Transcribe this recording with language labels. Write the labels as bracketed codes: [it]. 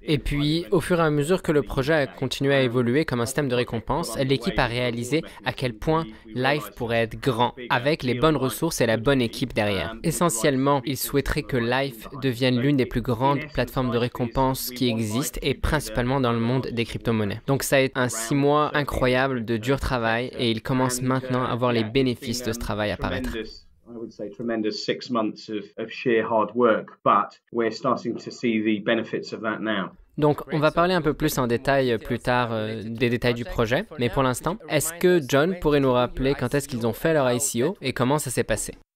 [fr] Et puis, au fur et à mesure que le projet a continué à évoluer comme un système de récompense, l'équipe a réalisé à quel point LIFE pourrait être grand avec les bonnes ressources et la bonne équipe derrière. Essentiellement, ils souhaiteraient que LIFE devienne l'une des plus grandes plateformes de récompense qui existent et principalement dans le monde des crypto-monnaies. Donc ça a été un 6 mois incroyable de dur travail et ils commencent maintenant à voir les bénéfices de ce travail apparaître. [en] I would say tremendous 6 months of sheer hard work, but we're starting to see the benefits of that now. [fr] Donc, on va parler un peu plus en détail plus tard des détails du projet, mais pour l'instant, est-ce que John pourrait nous rappeler quand est-ce qu'ils ont fait leur ICO et comment ça s'est passé?